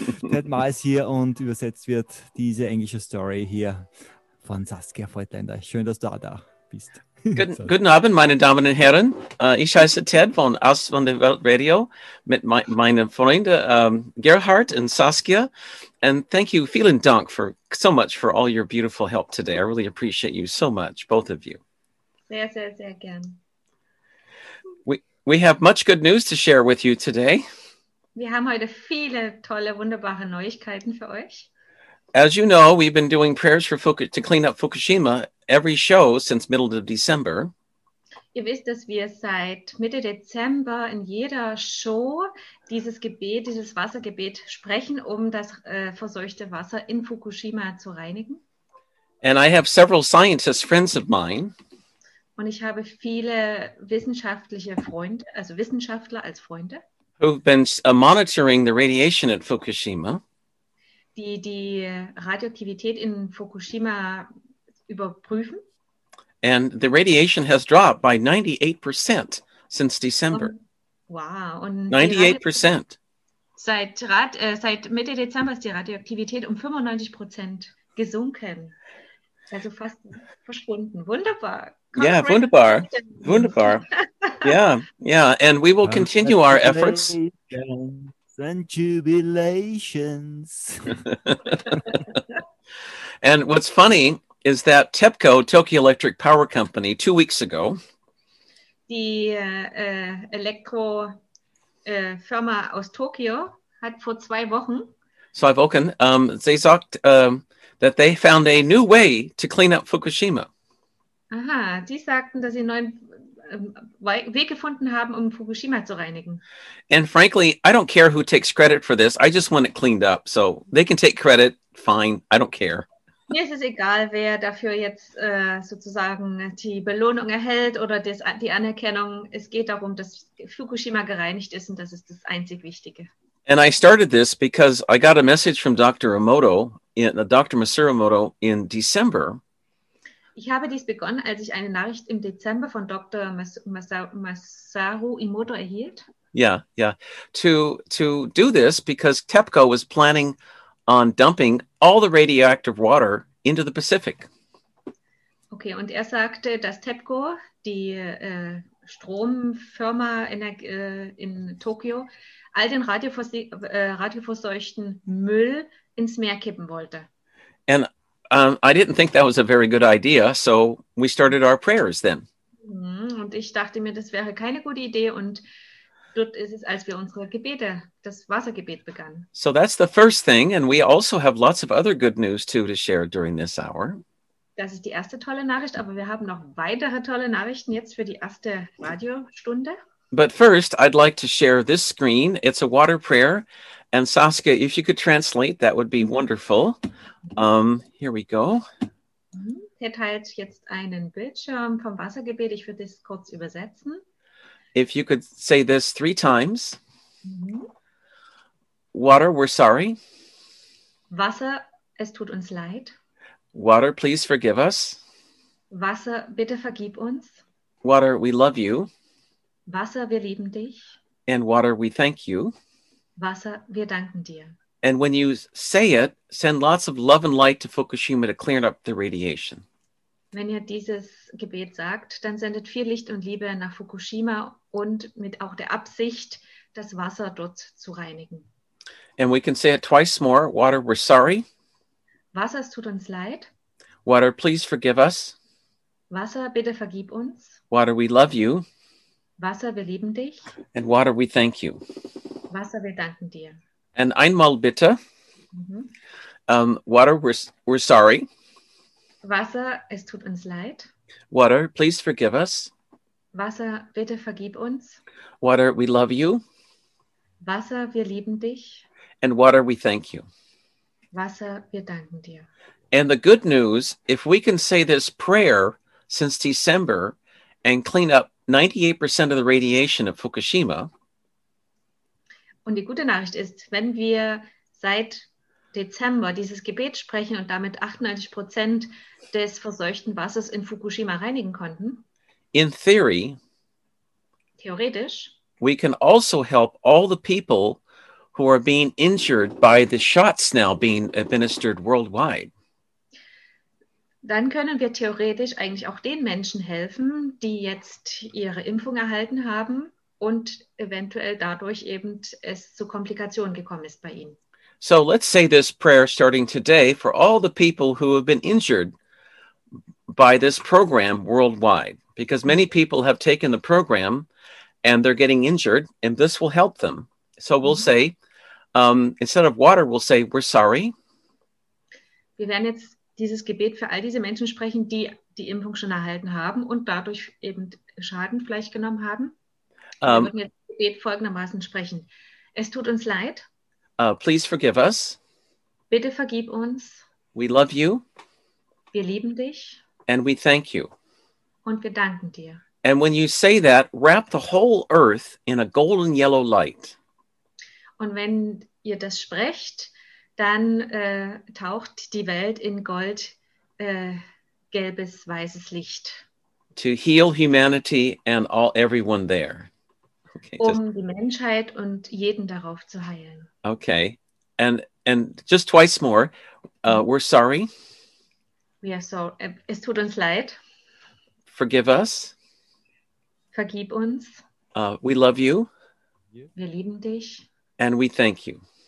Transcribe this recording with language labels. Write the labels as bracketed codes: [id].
[de] Tadmar ist hier und übersetzt wird diese englische Story hier von Saskia Voigtländer. Schön, dass du da bist. Guten Abend, meine Damen und Herren. Ich heiße Ted von Aus von der Welt Radio mit meinen Freunden Gerhard und Saskia. [en] And thank you, [de] vielen Dank [en] for so much for all your beautiful help today. I really appreciate you so much, both of you. [de] Sehr, sehr, sehr gern. [en] We have much good news to share with you today. [de] Wir haben heute viele tolle, wunderbare Neuigkeiten für euch. [en] As you know, we've been doing prayers for to clean up Fukushima every show since middle of December. [de] Ihr wisst, dass wir seit Mitte Dezember in jeder Show dieses Gebet, dieses Wassergebet sprechen, um das verseuchte Wasser in Fukushima zu reinigen. [en] And I have several scientist friends of mine. [de] Und ich habe viele wissenschaftliche Freunde, also Wissenschaftler als Freunde. [en] Who've been monitoring the radiation at Fukushima. [de] Die Radioaktivität in Fukushima überprüfen. [en] And the radiation has dropped by 98% since December. [de] Wow. Und 98%. Seit Mitte Dezember ist die Radioaktivität um 95% gesunken. Also fast verschwunden. Wunderbar. [en] Yeah, [de] wunderbar. Wunderbar. [en] Yeah, yeah. And we will continue our efforts. And jubilations. And what's funny is that TEPCO, Tokyo Electric Power Company, 2 weeks ago. [de] Die Elektro Firma aus Tokio hat vor zwei Wochen. [en] So I've woken. They [de] sagt [en] that they found a new way to clean up Fukushima. [de] Aha, die sagten, dass sie einen neuen Weg gefunden haben, um Fukushima zu reinigen. [en] And frankly, I don't care who takes credit for this. I just want it cleaned up. So they can take credit, fine. I don't care. [de] Mir ist es egal, wer dafür jetzt sozusagen die Belohnung erhält oder die Anerkennung. Es geht darum, dass Fukushima gereinigt ist und das ist das einzig Wichtige. [en] And I started this because I got a message from Dr. Masaru Emoto in December. [de] Ich habe dies begonnen, als ich eine Nachricht im Dezember von Dr. Masaru Emoto erhielt. [en] Yeah. To do this because TEPCO was planning on dumping all the radioactive water into the Pacific. [de] Okay, und er sagte, dass TEPCO, die Stromfirma in Tokio, all den radioverseuchten Müll ins Meer kippen wollte. [en] And I didn't think that was a very good idea, so we started our prayers then. [de] Und ich dachte mir, das wäre keine gute Idee, und dort ist es, als wir unsere Gebete, das Wassergebet begannen. [en] So that's the first thing, and we also have lots of other good news too to share during this hour. [de] Das ist die erste tolle Nachricht, aber wir haben noch weitere tolle Nachrichten jetzt für die erste Radiostunde. [en] But first, I'd like to share this screen. It's a water prayer. And Saskia, if you could translate, that would be wonderful. Here we go. [de] Ted teilt jetzt einen Bildschirm vom Wassergebet. Ich würde das kurz übersetzen. [en] If you could say this three times. Mm-hmm. Water, we're sorry. [de] Wasser, es tut uns leid. [en] Water, please forgive us. [de] Wasser, bitte vergib uns. [en] Water, we love you. [de] Wasser, wir lieben dich. [en] And water, we thank you. [de] Wasser, wir danken dir. [en] And when you say it, send lots of love and light to Fukushima to clear up the radiation. [de] Wenn ihr dieses Gebet sagt, dann sendet viel Licht und Liebe nach Fukushima und mit auch der Absicht, das Wasser dort zu reinigen. [en] And we can say it twice more. Water, we're sorry. [de] Wasser, es tut uns leid. [en] Water, please forgive us. [de] Wasser, bitte vergib uns. [en] Water, we love you. [de] Wasser, wir lieben dich. [en] And water, we thank you. [de] Wasser, wir danken dir. [en] And [de] einmal bitte. [en] Mm-hmm. Water, we're sorry. [de] Wasser, es tut uns leid. [en] Water, please forgive us. [de] Wasser, bitte vergib uns. [en] Water, we love you. [de] Wasser, wir lieben dich. [en] And water, we thank you. [de] Wasser, wir danken dir. [en] And the good news, if we can say this prayer since December and clean up 98% of the radiation of Fukushima. [de] Und die gute Nachricht ist, wenn wir seit Dezember dieses Gebet sprechen und damit 98% des verseuchten Wassers in Fukushima reinigen konnten. [en] In theory, [de] theoretisch, [en] we can also help all the people who are being injured by the shots now being administered worldwide. [de] Dann können wir theoretisch eigentlich auch den Menschen helfen, die jetzt ihre Impfung erhalten haben und eventuell dadurch eben es zu Komplikationen gekommen ist bei ihnen. [en] So let's say this prayer starting today for all the people who have been injured by this program worldwide, because many people have taken the program and they're getting injured, and this will help them. So we'll say, instead of water, we'll say, we're sorry. [de] Wir werden jetzt dieses Gebet für all diese Menschen sprechen, die die Impfung schon erhalten haben und dadurch eben Schaden vielleicht genommen haben. Wir würden jetzt das Gebet folgendermaßen sprechen. Es tut uns leid. [en] Please forgive us. [de] Bitte vergib uns. [en] We love you. [de] Wir lieben dich. [en] And we thank you. [de] Und wir danken dir. [en] And when you say that, wrap the whole earth in a golden yellow light. [de] Und wenn ihr das sprecht, dann taucht die Welt in gold, gelbes, weißes Licht. [en] To heal humanity and all everyone there. [de] Okay, um die Menschheit und jeden darauf zu heilen. [en] Okay, and just twice more. We're sorry. We are sorry. [de] Es tut uns leid. [en] Forgive us. [de] Vergib uns. [en] We love you. [de] Wir lieben dich. [en] And we thank you.